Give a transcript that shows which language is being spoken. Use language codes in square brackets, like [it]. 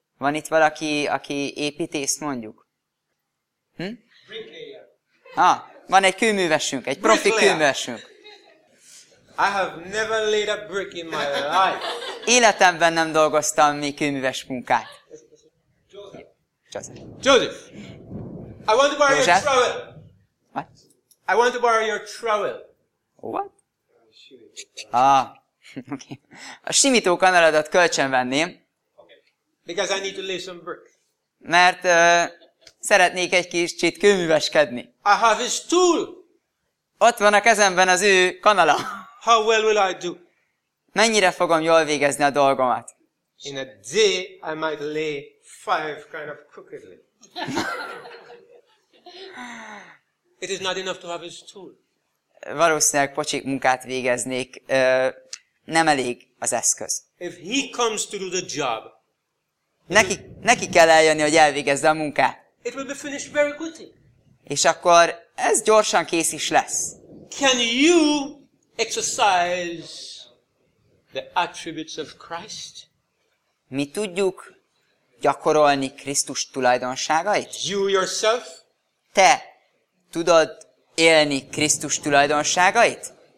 [hu] Van itt valaki, aki építész, mondjuk? [en] Bricklayer. [hu] Van egy kőművesünk, egy profi kőművesünk. [en] I have never laid a brick in my life. [hu] Életemben nem dolgoztam még kőműves munkát. [en] Joseph. I want to borrow your trowel. What? I want to borrow your trowel. What? [hu] Okay. A simító kanaladat kölcsön venném. [en] Okay. Because I need to lay some brick. [hu] Mert szeretnék egy kicsit kőműveskedni. [en] I have his tool. [hu] Ott van a kezemben az ő kanala. [en] How well will I do? [hu] Mennyire fogom jól végezni a dolgomat? [en] In a day, I might lay 5 kind of crookedly. It is not enough to have his tool. [hu] Valószínűleg pocsik munkát végeznék, nem elég az eszköz. [en] If he comes to do the job, [hu] neki kell eljönni, hogy elvégezze a munkát. [en] It will be finished very quickly. [hu] És akkor ez gyorsan kész is lesz. [en] Can you exercise the attributes of Christ? [hu] Mi tudjuk gyakorolni Krisztus tulajdonságait? [en] You yourself? [hu] Te tudod élni Krisztus tulajdonságait?